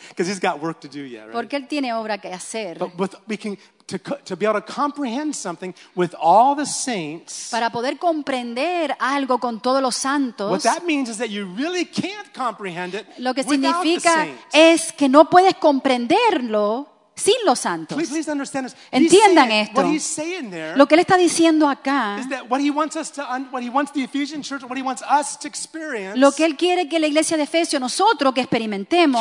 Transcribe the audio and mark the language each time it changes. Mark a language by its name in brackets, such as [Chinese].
[English] Because he's got work to do yet, right? [Spanish] Porque él tiene obra que hacer. [English] But we can to be able to comprehend something with all the saints. [Spanish] Para poder comprender algo con todos los santos. [English] What that means is that you really can't comprehend it. [Spanish] Lo que significa es que no puedes comprenderlo sin los santos. [English] Please understand this. [Spanish] Entiendan [English] saying, [Spanish] esto. [English] What he's saying there, [Spanish] lo que él está diciendo acá, [English] is that what he wants us to, what he wants the Ephesian church, what he wants us to experience, [Spanish] lo que él quiere que la iglesia de Efesio nosotros que experimentemos,